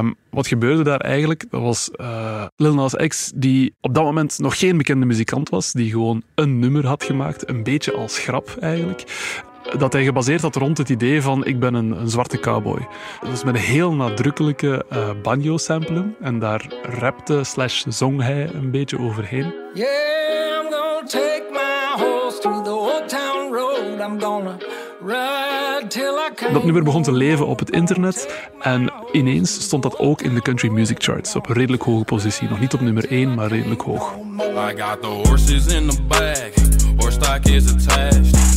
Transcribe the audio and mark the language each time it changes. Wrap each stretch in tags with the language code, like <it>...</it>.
<nl>Wat gebeurde daar eigenlijk? Dat was Lil Nas X, die op dat moment nog geen bekende muzikant was. Die gewoon een nummer had gemaakt, een beetje als grap eigenlijk. Dat hij gebaseerd had rond het idee van ik ben een zwarte cowboy. Dus met een heel nadrukkelijke banjo-samplen. En daar rapte / zong hij een beetje overheen.</nl> <en>Yeah, I'm gonna take my horse to the old town road. I'm gonna ride till I can.</en> <nl>Dat nummer begon te leven op het internet. En ineens stond dat ook in de country music charts. Op een redelijk hoge positie. Nog niet op nummer 1, maar redelijk hoog.</nl> <en>I got the horses in the bag. Horse stock is attached.</en>